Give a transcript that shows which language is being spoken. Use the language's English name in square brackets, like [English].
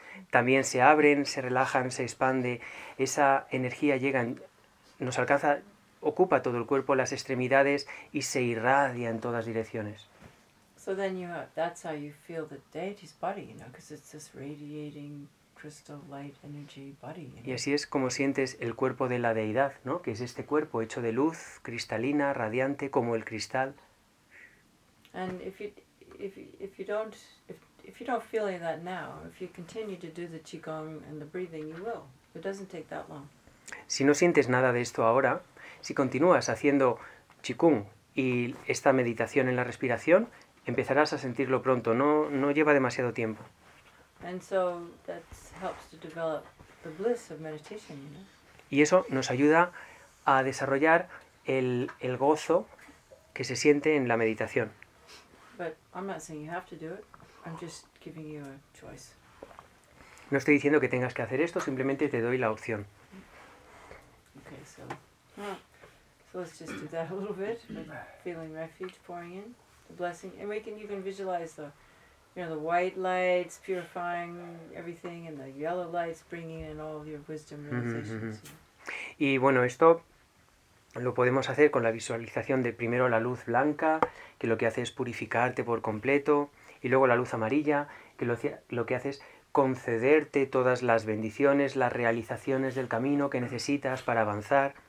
[Spanish] También se abren, se relajan, se expande, esa energía llega, nos alcanza, ocupa todo el cuerpo, las extremidades y se irradia en todas direcciones. [English] So then you have, that's how you feel the deity's body, you know, because it's this radiating crystal light energy body. You know? [Spanish] Y así es como sientes el cuerpo de la deidad, ¿no? Que es este cuerpo hecho de luz cristalina, radiante como el cristal. [English] And if you don't feel any of that now, if you continue to do the qigong and the breathing, you will. It doesn't take that long. [Spanish] Si no sientes nada de esto ahora, si continúas haciendo qigong y esta meditación en la respiración, empezarás a sentirlo pronto, no lleva demasiado tiempo. [English] And so that helps to develop the bliss of meditation, you know? [Spanish] Y eso nos ayuda a desarrollar el gozo que se siente en la meditación. [English] But I'm not saying you have to do it. I'm just giving you a choice. [Spanish] No estoy diciendo que tengas que hacer esto, simplemente te doy la opción. [English] Okay, so. So let's just do that a little bit, feeling refuge pouring in, the blessing, and we can even visualize the, you know, the white lights purifying everything, and the yellow lights bringing in all your wisdom realizations. Mm-hmm. [Spanish] Y bueno, esto lo podemos hacer con la visualización de primero la luz blanca, que lo que hace es purificarte por completo, y luego la luz amarilla, que lo que hace es concederte todas las bendiciones, las realizaciones del camino que necesitas para avanzar.